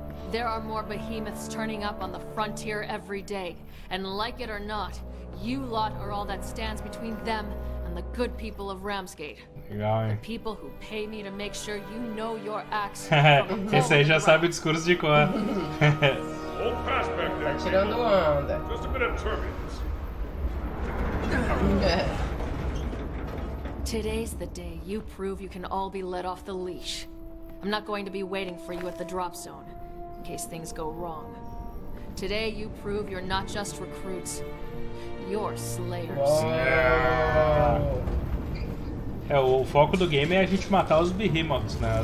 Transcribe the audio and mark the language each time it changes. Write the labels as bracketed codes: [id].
[en] There are more behemoths turning up on the frontier every day. And like it or not, you lot are all that stands between them and the the good people of Ramsgate. [pt] Legal, hein? [en] The people who pay me to make sure you know your acts. [pt] Esse aí já sabe o discurso de cor. Tá tirando onda. [en] Just a bit of turbulence. Today's the day you prove you can all be let off the leash. I'm not going to be waiting for you at the drop zone, in case things go wrong. Today you prove you're not just recruits, you're slayers. Oh. [pt] É, o foco do game é a gente matar os behemoths, né?